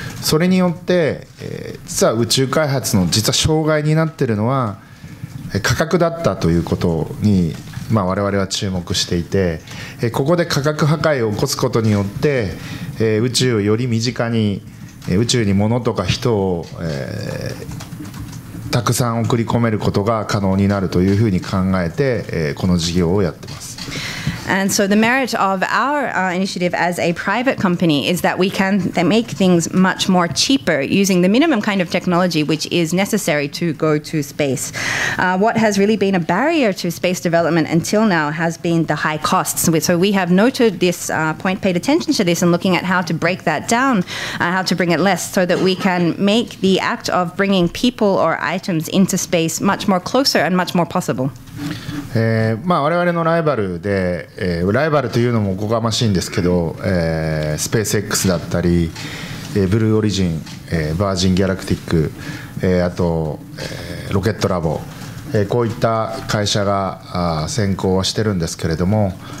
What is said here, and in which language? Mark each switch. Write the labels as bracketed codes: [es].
[ja] それによって、実は宇宙開発の実は障害になっているのは、価格だったということに、まあ、我々は注目していて、ここで価格破壊を起こすことによって、宇宙をより身近に宇宙に物とか人を、たくさん送り込めることが可能になるというふうに考えて、この事業をやってます。 [en] And so the merit of our initiative as a private company is that we can make things much more cheaper using the minimum kind of technology which is necessary to go to space. What has really been a barrier to space development until now has been the high costs. So we have noted this point, paid attention to this, and looking at how to break that down, how to bring it less, so that we can make the act of bringing people or items into space much more closer and much more possible. [ja] まあ、我々のライバルで、ライバルというのもおこがましいんですけど、スペース X だったり、ブルーオリジン、バージンギャラクティック、あと、ロケットラボ、こういった会社が先行してるんですけれども、